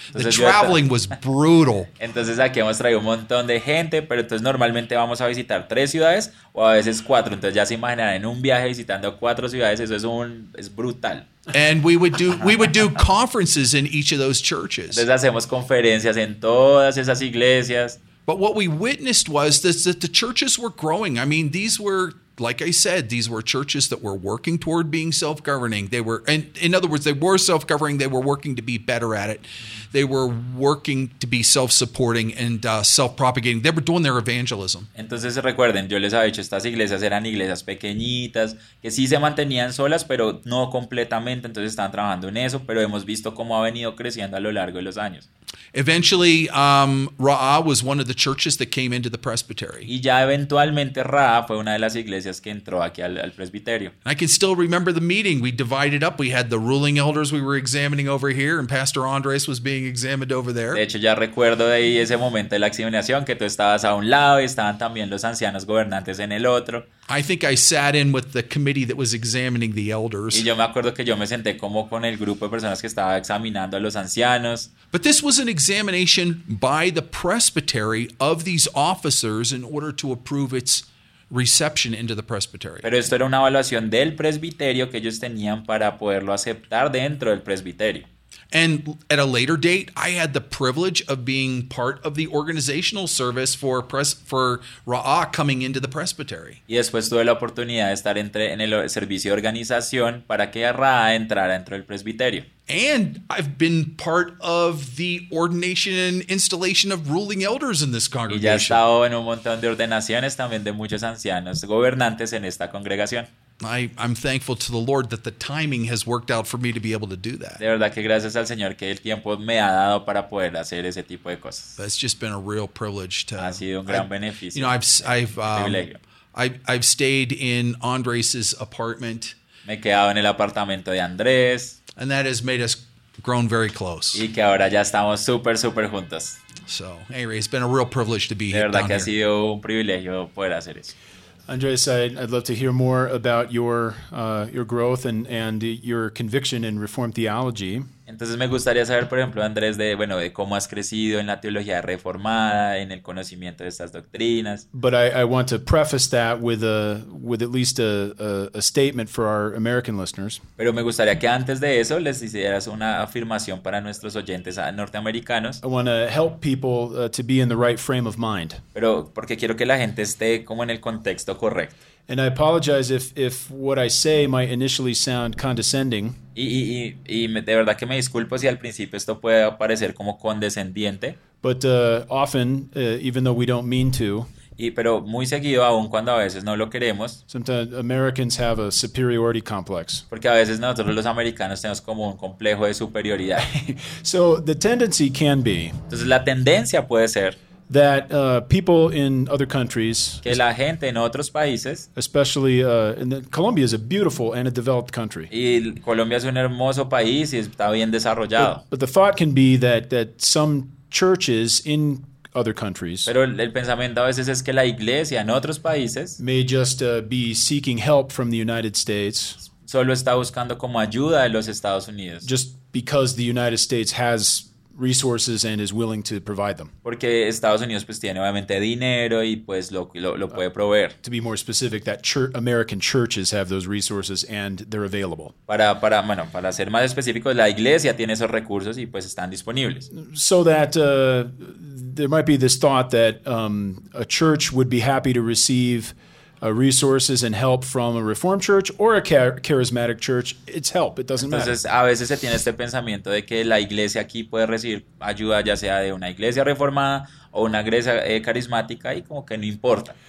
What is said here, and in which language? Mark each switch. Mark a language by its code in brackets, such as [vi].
[en] The traveling was brutal. [es] Entonces aquí hemos traído un montón de gente, pero entonces normalmente vamos a visitar 3 ciudades o a veces 4. Entonces ya se imaginarán en un viaje visitando 4 ciudades, eso es brutal. [en] And we would do conferences in each of those churches. [es] Entonces hacemos conferencias en todas esas iglesias. [en] But what we witnessed was that the churches were growing. I mean, these were, like I said, these were churches that were working toward being self-governing. They were, and in other words, they were self-governing. They were working to be better at it. They were working to be self-supporting and self-propagating. They were doing their evangelism. [es] Entonces recuerden, yo les había dicho, estas iglesias eran iglesias pequeñitas que sí se mantenían solas, pero no completamente. Entonces estaban trabajando en eso, pero hemos visto cómo ha venido creciendo a lo largo de los años. [en] Eventually, Ra'a was one of the churches that came into the presbytery. [es] Y ya eventualmente Ra'a fue una de las iglesias que entró aquí al presbiterio. [en] I can still remember the meeting. We divided up. We had the ruling elders we were examining over here, and Pastor Andres was being examined over there. [es] De hecho, ya recuerdo de ahí ese momento de la examinación que tú estabas a un lado y estaban también los ancianos gobernantes en el otro. [en] I think I sat in with the committee that was examining the elders. [es] Y yo me acuerdo que yo me senté como con el grupo de personas que estaba examinando a los ancianos. [en] But this was an examination by the presbytery of these officers in order to approve its reception into the presbytery. [es] Pero esto era una evaluación del presbiterio que ellos tenían para poderlo aceptar dentro del presbiterio. [en] And at a later date, I had the privilege of being part of the organizational service for Ra'a coming into the presbytery. [es] Y después tuve la oportunidad de estar en el servicio de organización para que Ra'a entrara dentro del presbiterio. [en] And I've been part of the ordination and installation of ruling elders in this congregation. [es] Y ya he estado en un montón de ordenaciones también de muchos ancianos gobernantes en esta congregación. [en] I'm thankful to the Lord that the timing has worked out for me to be able to do that. [es] De verdad que gracias al Señor que el tiempo me ha dado para poder hacer ese tipo de cosas. [en] But it's just been a real privilege to. [es] Ha sido un gran beneficio. [en] You know, I've stayed in Andres's apartment. [es] Me he quedado en el apartamento de Andrés. [en] And that has made us grown very close. [es] Y que ahora ya estamos súper, súper juntos. [en] So anyway, it's been a real privilege to be here. [es] De verdad que ha sido un privilegio poder hacer eso. [en] Andres, I'd love to hear more about your growth and your conviction in Reformed theology. [es] Entonces me gustaría saber, por ejemplo, Andrés, de bueno, de cómo has crecido en la teología reformada, en el conocimiento de estas doctrinas. [en] But I want to preface that with at least a statement for our American listeners. [es] Pero me gustaría que antes de eso les hicieras una afirmación para nuestros oyentes norteamericanos. [en] I want to help people to be in the right frame of mind. [es] Pero porque quiero que la gente esté como en el contexto correcto. [en] And I apologize if what I say might initially sound condescending. [es] Y de verdad que me disculpo si al principio esto puede parecer como condescendiente. [en] But often, even though we don't mean to. [es] Y pero muy seguido, aun cuando a veces no lo queremos. [en] Sometimes Americans have a superiority complex. [es] Porque a veces nosotros los americanos tenemos como un complejo de superioridad. [en] So the tendency can be. [es] Entonces la tendencia puede ser. [en] That people in other countries, [es] que la gente en otros países, [en] especially Colombia is a beautiful and a developed country. [es] Y Colombia es un hermoso país y está bien desarrollado. [en] But the thought can be that some churches in other countries, [es] pero el pensamiento a veces es que la iglesia en otros países, [en] may just be seeking help from the United States. [es] Solo está buscando como ayuda de los Estados Unidos. [en] Just because the United States has resources and is willing to provide them. [es] Porque Estados Unidos pues tiene obviamente dinero y pues lo puede proveer. [en] To be more specific, that American churches have those resources and they're available. [es] Para ser más específicos, la iglesia tiene esos recursos y pues están disponibles. [en] So that there might be this thought that a church would be happy to receive resources and help from a Reformed church or a charismatic church, it's help. It doesn't matter. [es] Entonces, a veces se tiene este pensamiento de que la iglesia aquí puede recibir ayuda ya sea de una iglesia reformada o una iglesia carismática y como que no importa.